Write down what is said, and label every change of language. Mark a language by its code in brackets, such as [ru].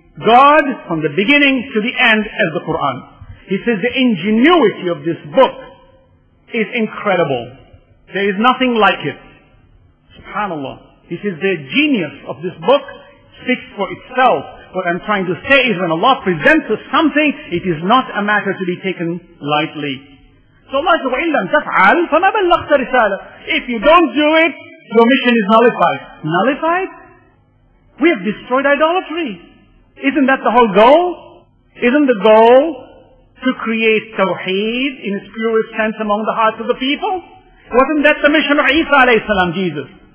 [en] God from the beginning to the end as the Quran. He says the ingenuity of this book is incredible. There is nothing like it. SubhanAllah. He says the genius of this book speaks for itself. What I'm trying to say is when Allah presents us something, it is not a matter to be taken lightly. So Allah says, [ar] وَإِن لَمْ تَفْعَلْ فَمَا بَلَّغْتَ رِسَالَةً. [en] If you don't do it, your mission is nullified. Nullified? We have destroyed idolatry. Isn't that the whole goal? Isn't the goal to create tawheed in its purest sense among the hearts of the people? Wasn't that the mission of Isa alayhi salam, Jesus?